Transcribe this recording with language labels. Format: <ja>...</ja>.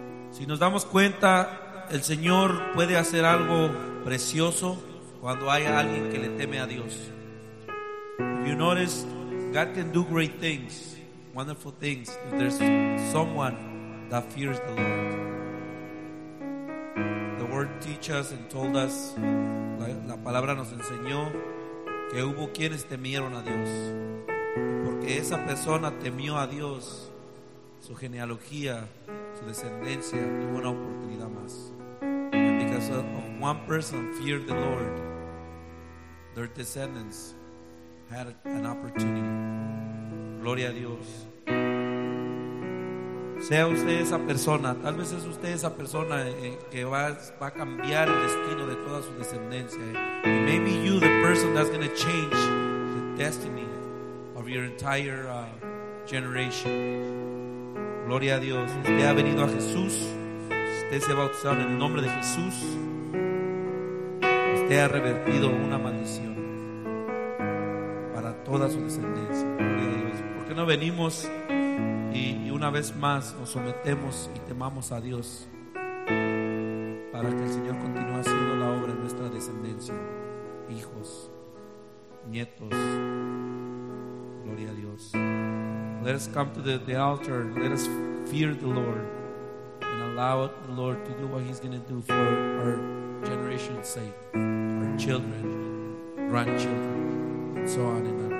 <es>Si nos damos cuenta, el Señor puede hacer algo precioso cuando hay alguien que le teme a Dios.</es> <en>If you notice, God can do great things, wonderful things, if there's someone that fears the Lord. The Word teaches us and told us,</en> <es>la palabra nos enseñó que hubo quienes temieron a Dios. Porque esa persona temió a Dios, su genealogía, su descendencia, tuvo una oportunidad más.</es> <en>And because of one person feared the Lord, their descendants had an opportunity.</en> <es>Gloria a Dios. Sea usted esa persona, tal vez es usted esa persona que va a cambiar el destino de toda su descendencia.</es> <en>And maybe you, the person that's going to change the destiny of your entire generation.</en> <es>Gloria a Dios. Usted ha venido a Jesús, usted se ha bautizado en el nombre de Jesús, usted ha revertido una maldición para toda su descendencia. Gloria a Dios. ¿Por qué no venimos y una vez más nos sometemos y temamos a Dios para que el Señor continúe haciendo la obra en nuestra descendencia, hijos, nietos? Gloria a Dios.</es> <en>Let us come to the altar. Let us fear the Lord and allow the Lord to do what He's going to do for our generation's sake, our children, grandchildren, and so on. And</en>